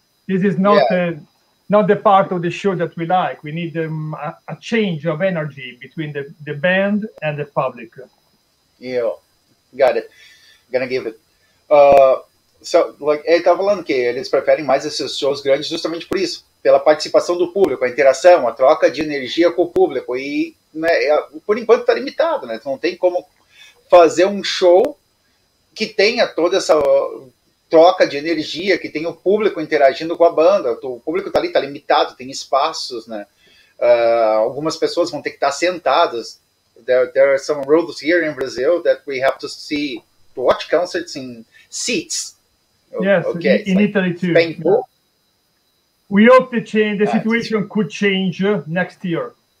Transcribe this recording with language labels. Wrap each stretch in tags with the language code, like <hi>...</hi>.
<en>This is not not the part of the show that we like. We need a change of energy between the band and the public. Yeah, got it. Gonna give it.</en> <pt>Ele tá falando que eles preferem mais esses shows grandes justamente por isso, pela participação do público, a interação, a troca de energia com o público. E, né, por enquanto tá limitado, né? Não tem como fazer um show que tenha toda essa troca de energia, que tenha o público interagindo com a banda. O público tá ali, tá limitado, tem espaços, né? Algumas pessoas vão ter que estar sentadas.</pt> <en>There are some rules here in Brazil that we have to see, to watch concerts in seats. Yes, okay. In like Italy too. Painful. We hope the situation could change next year.</en>